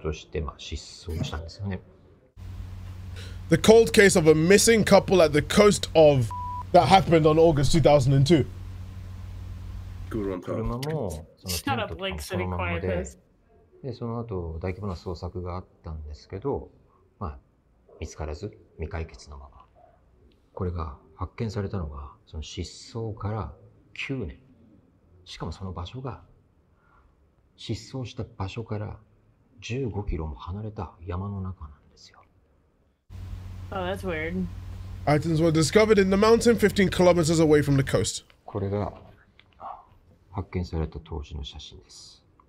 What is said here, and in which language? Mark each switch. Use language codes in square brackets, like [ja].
[en] The cold case of a missing couple at the coast of that happened on August 2002. [ja] グルマも、そのまま。で、その後大規模な捜索があったんですけど、まあ見つからず未解決のまま。これが発見されたのがその失踪から9年。しかもその場所が失踪した場所から15キロも離れた山の中なんですよ。 [en] Oh, that's weird. Items were discovered in the mountain 15 kilometers away from the coast. [ja] これが 発見された当時の写真です。